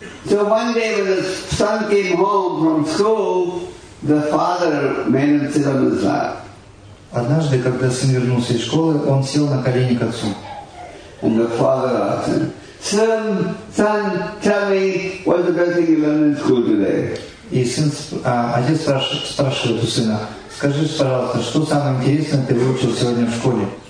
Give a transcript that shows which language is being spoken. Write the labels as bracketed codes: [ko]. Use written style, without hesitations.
[en] So one day when the son came home from school, the father made him sit on his lap. [ru] Однажды, когда сын вернулся из школы, он сел на колени к отцу. [en] And the father asked him, son, tell me, what's the best thing you learned in school today? [ru] И сын, отец спрашивает у сына, скажи, пожалуйста, что самое интересное ты выучил сегодня в школе?